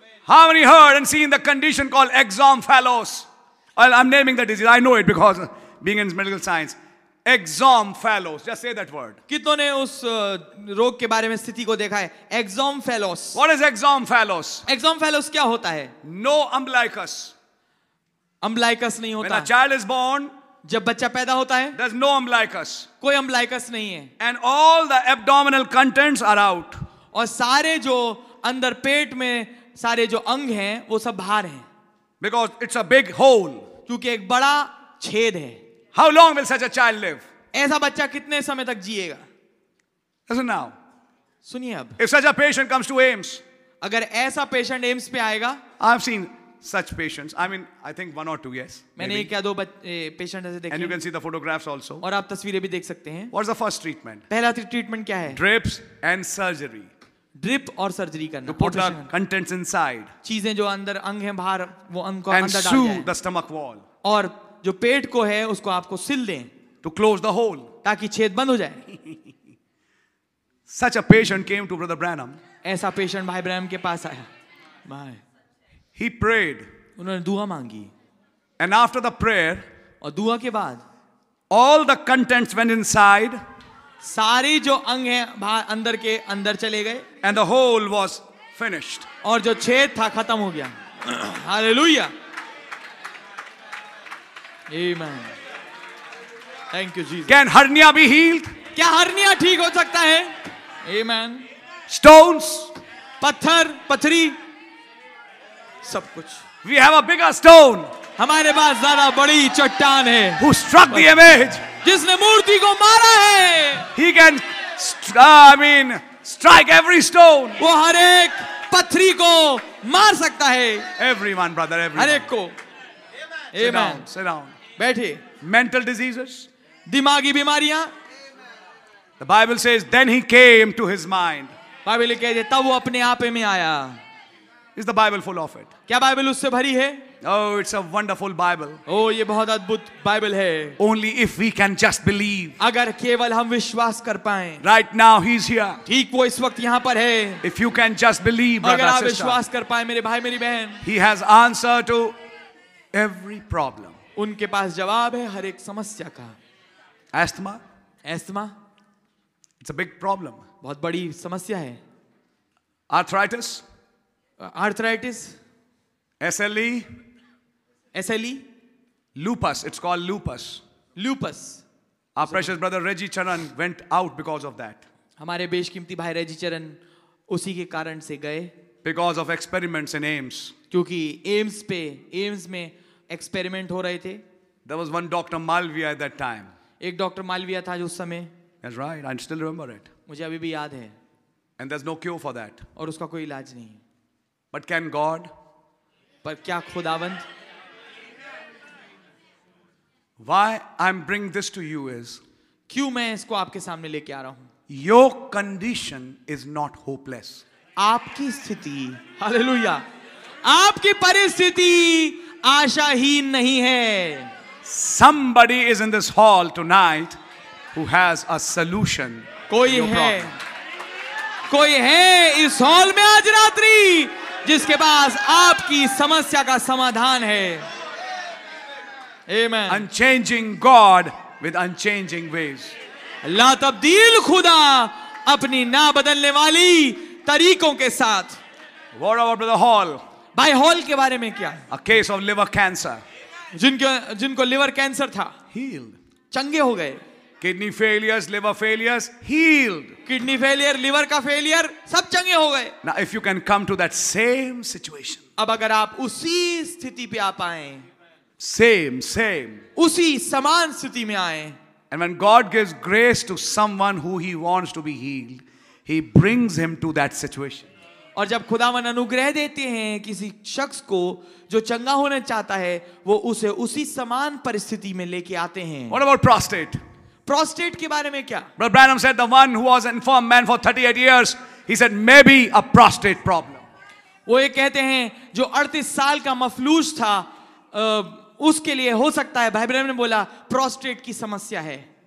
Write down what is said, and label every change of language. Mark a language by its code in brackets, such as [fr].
[en] How many heard and seen the condition called exomphalos? Well, I'm naming the disease. I know it because being in medical science. Exomphalos. Just say that word. [hi] कितनों ने उस रोग के बारे में स्थिति को देखा है? [en] Exomphalos. What is exomphalos? [hi] Exomphalos क्या होता है? [en] No umbilicus. [hi] Umbilicus नहीं होता. [en] When a child is born. [hi] जब बच्चा पैदा होता है. [en] There's no umbilicus. [hi] कोई umbilicus नहीं है. [en] And all the abdominal contents are out. [hi] और सारे जो अंदर पेट में सारे जो अंग हैं वो सब बाहर हैं. [en] Because it's a big hole. [hi] क्योंकि एक बड़ा छेद है. [en] How long will such a child live? [hi] ऐसा बच्चा कितने समय तक जिएगा? [en] Listen now. [hi] सुनिए अब. [en] If such a patient comes to AIIMS. [hi] अगर ऐसा पेशेंट एम्स पे आएगा. [en] I've seen such patients. I mean, I think one or two, yes. [hi] मैंने क्या दो पेशेंट ऐसे देखे. [en] And you can see the photographs also. [hi] और आप तस्वीरें भी देख सकते हैं. [en] What's the first treatment? [hi] पहला ट्रीटमेंट क्या है? [en] Drips and surgery. [hi] ड्रिप और सर्जरी करना. [en] To put the contents inside. [hi] चीजें जो अंदर अंग हैं बाहर वो अंग को अंदर डाल दें. [en] And sew the stomach wall. [hi] और जो पेट को है उसको आपको सिल दें. [en] To close the hole. [hi] ताकि छेद बंद हो जाए. [en] Such a patient came to Brother Branham. [hi] ऐसा पेशेंट भाई ब्रैनम के पास आया. भाई. [en] He prayed. [hi] उन्होंने दुआ मांगी. [en] And after the prayer. [hi] और दुआ के बाद. [en] All the contents went inside. [hi] सारी जो अंग हैं बाहर अंदर के अंदर चले गए. [en] And the hole was finished. [hi] और जो छेद था खत्म हो गया. Hallelujah. [en] Amen. Thank you, Jesus. Can hernia be healed? [hi] क्या हर्निया ठीक हो सकता है? [en] Amen. Stones. [hi] पत्थर पथरी सब कुछ. [en] We have a bigger stone. [hi] हमारे पास ज्यादा बड़ी चट्टान है. [en] Who struck the image? [hi] जिसने मूर्ति को मारा है. [en] He can strike every stone. [hi] वो हर एक पत्थरी को मार सकता है. [en] Everyone, brother, everyone. [hi] हर एक को. [en] Amen. Sit down. [hi] बैठे. [en] Mental diseases. [hi] दिमागी बीमारियां. [en] The Bible says, then he came to his mind. [hi] Bible कहती है तब वो अपने आप में आया. [en] Is the Bible full of it? [hi] क्या बाइबल उससे भरी है? [en] Oh, it's a wonderful Bible. [hi] Oh, ये बहुत अद्भुत बाइबल है. [en] Only if we can just believe. [hi] अगर केवल हम विश्वास कर पाएं. [en] Right now he's here. [hi] ठीक वो इस वक्त यहाँ पर है. [en] If you can just believe, brother, sister. [hi] अगर आप विश्वास कर पाएं, मेरे भाई मेरी बहन. [en] He has answer to every problem. [hi] उनके पास जवाब है हर एक समस्या का. [en] Asthma. It's a big problem. [hi] बहुत बड़ी समस्या है. [en] Arthritis. Arthritis. SLE. Lupus. It's called lupus. Lupus. Our precious brother Reggie Charan went out because of that. [hi] हमारे बेशकीमती भाई रेजी चरण उसी के कारण से गए. [en] Because of experiments in AIIMS. [hi] क्योंकि AIIMS में experiment हो रहे थे. [en] There was one Dr. Malviya at that time. [hi] एक Dr. Malviya था जो उस समय. [en] That's right. I still remember it. [hi] मुझे अभी भी याद है. [en] And there's no cure for that. [hi] और उसका कोई इलाज नहीं. [en] But can God? [hi] पर क्या खुदावंद? [en] Why I'm bring this to you is? [hi] क्यों मैं इसको आपके सामने लेके आ रहा हूँ? [en] Your condition is not hopeless. [hi] आपकी स्थिति, हालेलुया, आपकी परिस्थिति आशाहीन नहीं है. [en] Somebody is in this hall tonight. Who has a solution? [hi] कोई है, कोई है इस हॉल में आज रात्रि जिसके पास आपकी समस्या का समाधान है. [en] Amen. Unchanging God with unchanging ways. [hi] ला तब्दील खुदा अपनी ना बदलने वाली तरीकों के साथ. [en] What about the hall? [hi] भाई हॉल के बारे में क्या? [en] A case of liver cancer. [hi] जिनको लिवर कैंसर था. [en] Healed. [hi] चंगे हो गए. [en] Kidney failures, liver failures, healed. [hi] Kidney failure, liver का failure, सब चंगे हो गए. [en] Now, if you can come to that same situation. [hi] अब अगर आप उसी स्थिति पे आ पाएं. [en] Same. [hi] उसी समान स्थिति में आएं. [en] And when God gives grace to someone who He wants to be healed, He brings him to that situation. [hi] और जब खुदावन अनुग्रह देते हैं किसी शख्स को जो चंगा होना चाहता है, वो उसे उसी समान परिस्थिति में लेके आते हैं. [en] What about prostate? [hi] प्रोस्टेट के बारे में क्या? [en] Brother Branham said the one who was an infirm man for 38 years, he said maybe a prostate problem. [hi] वो ये कहते हैं जो 38 साल का मफलूज था उसके लिए हो सकता है. भाई ब्रैनम ने बोला प्रोस्टेट की समस्या है.